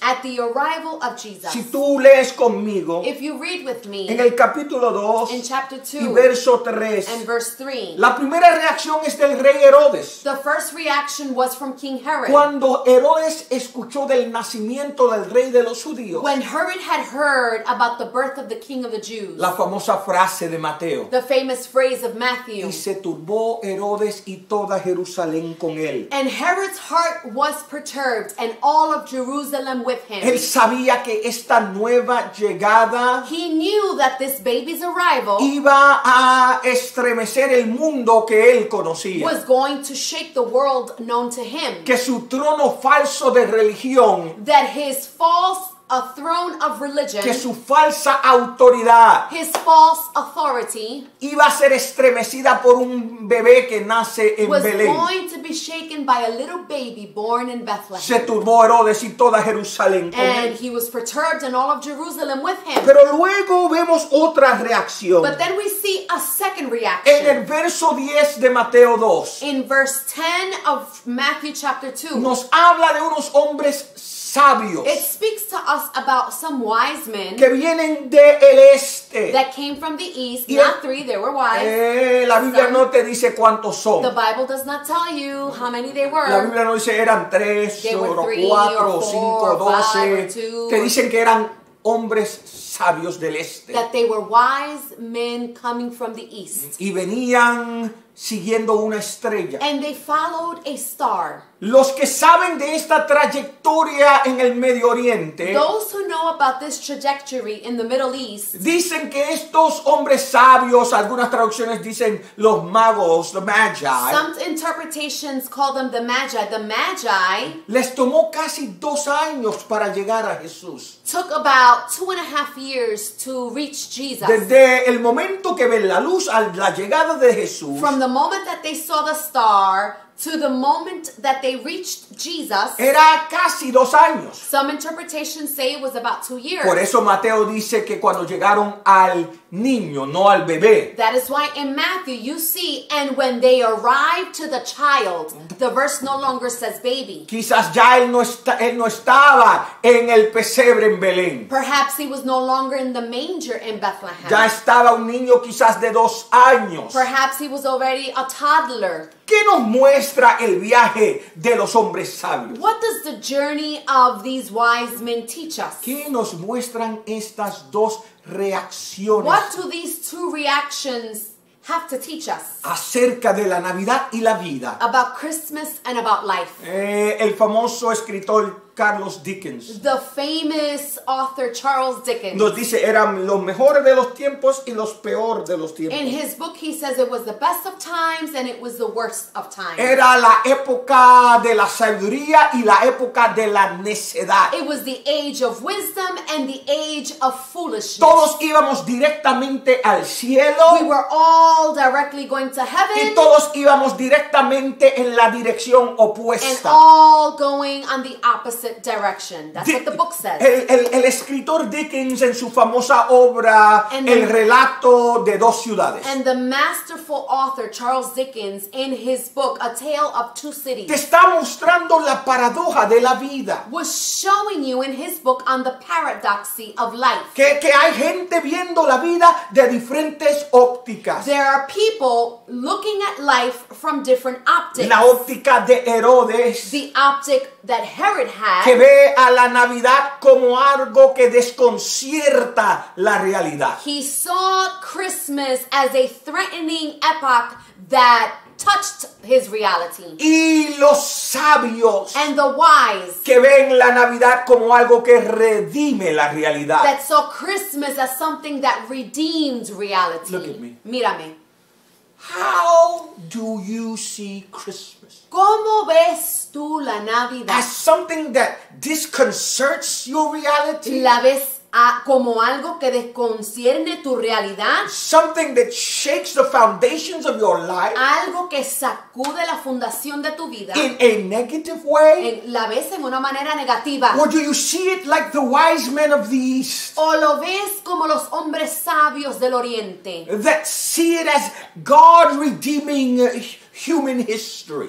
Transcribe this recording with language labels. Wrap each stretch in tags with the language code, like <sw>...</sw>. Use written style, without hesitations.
<en>at the arrival of Jesus.</en> <es>Si tú lees conmigo,</es> <en>if you read with me,</en> <es>en el capítulo 2,</es> <en>in chapter 2,</en> <es>y verso 3,</es> <en>and verse 3,</en> <es>la primera reacción es del rey Herodes.</es> <en>The first reaction was from King Herod.</en> <es>Cuando Herodes escuchó del nacimiento del rey de los judíos,</es> <en>when Herod had heard about the birth of the king of the Jews,</en> <es>la famosa frase de Mateo,</es> <en>the famous phrase of Matthew.</en> <es>Y se turbó Herodes y toda Jerusalén con él.</es> <en>And Herod's heart was perturbed and all of Jerusalem with him.</en> <es>Él sabía que esta nueva llegada,</es> <en>he knew that this baby's arrival,</en> <es>iba a estremecer el mundo que él conocía,</es> <en>was going to shake the world known to him.</en> <es>Que su trono falso de religión,</es> <en>that his false, a throne of religion,</en> <es>que su falsa autoridad,</es> <en>his false authority,</en> <es>iba a ser estremecida por un bebé que nace en</es> <en>was</en> <es>Belén.</es> <en>Was going to be shaken by a little baby born in Bethlehem.</en> <es>Se turbó Herodes y toda Jerusalén con él.</es> <en>And he was perturbed and all of Jerusalem with him.</en> <es>Pero luego vemos otra reacción.</es> <en>But then we see a second reaction.</en> <es>En el verso 10 de Mateo 2.</es> <en>In verse 10 of Matthew chapter 2.</en> <es>Nos habla de unos hombres sabios.</es> <en>It speaks to us about some wise men</en> <es>que vienen de el este.</es> <en>That came from the east. Y not three, they were wise.</en> <es>La Biblia no te dice cuántos son.</es> <en>The Bible does not tell you how many they were.</en> <es>La Biblia no dice eran tres,</es> <en>three,</en> <es>cuatro, cinco, doce. Te dicen que eran hombres sabios del este.</es> <en>That they were wise men coming from the east.</en> <es>Y venían siguiendo una estrella.</es> <en>And they followed a star.</en> <es>Los que saben de esta trayectoria en el Medio Oriente,</es> <en>those who know about this trajectory in the Middle East,</en> <es>dicen que estos hombres sabios, algunas traducciones dicen los magos, the magi,</es> <en>some interpretations call them the magi. The magi,</en> <es>les tomó casi 2 años para llegar a Jesús.</es> <en>Took about 2.5 years to reach Jesus.</en> <es>Desde el momento que ven la luz a la llegada de Jesús,</es> <en>from the moment that they saw the star to the moment that they reached Jesus,</en> <es>era casi 2 años.</es> <en>Some interpretations say it was about 2 years.</en> <es>Por eso Mateo dice que cuando llegaron al niño, no al bebé.</es> <en>That is why in Matthew you see, and when they arrive to the child, the verse no longer says baby.</en> <es>Quizás ya él no estaba en el pesebre en Belén.</es> <en>Perhaps he was no longer in the manger in Bethlehem.</en> <es>Ya estaba un niño quizás de 2 años.</es> <en>Perhaps he was already a toddler.</en> <es>¿Qué nos muestra el viaje de los hombres sabios?</es> <en>What does the journey of these wise men teach us?</en> <es>¿Qué nos muestran estas dos reacciones?</es> <en>What do these two reactions have to teach us?</en> <es>Acerca de la Navidad y la vida.</es> <en>About Christmas and about life.</en> <es>El famoso escritor Carlos Dickens.</es> <en>The famous author Charles Dickens.</en> <es>Nos dice, eran los mejores de los tiempos y los peor de los tiempos.</es> <en>In his book he says it was the best of times and it was the worst of times.</en> <es>Era la época de la sabiduría y la época de la necedad.</es> <en>It was the age of wisdom and the age of foolishness.</en> <es>Todos íbamos directamente al cielo.</es> <en>We were all directly going to heaven.</en> <es>Y todos íbamos directamente en la dirección opuesta.</es> <en>And all going on the opposite direction. That's what the book says.</en> <es>El escritor Dickens en su famosa obra, El Relato de Dos Ciudades.</es> <en>And the masterful author Charles Dickens in his book, A Tale of Two Cities.</en> <es>Te está mostrando la paradoja de la vida.</es> <en>Was showing you in his book on the paradoxy of life.</en> <es>Que hay gente viendo la vida de diferentes ópticas.</es> <en>There are people looking at life from different optics.</en> <es>La óptica de Herodes.</es> <en>The optic that Herod had,</en> <es>que ve a la Navidad como algo que desconcierta la realidad.</es> <en>He saw Christmas as a threatening epoch that touched his reality.</en> <es>Y los sabios,</es> <en>and the wise,</en> <es>que ven la Navidad como algo que redime la realidad,</es> <en>that saw Christmas as something that redeemed reality. Look at me.</en> <es>Mírame.</es> <en>How do you see Christmas?</en> <es>¿Cómo ves tú la Navidad?</es> <en>As something that disconcerts your reality?</en> <es>¿La ves como algo que desconcierne tu realidad?</es> <en>Something that shakes the foundations of your life?</en> <es>¿Algo que sacude la fundación de tu vida?</es> <en>In a negative way?</en> <es>¿La ves en una manera negativa?</es> <en>Or do you see it like the wise men of the East?</en> <es>¿O lo ves como los hombres sabios del Oriente?</es> <en>That see it as God redeeming human history.</en>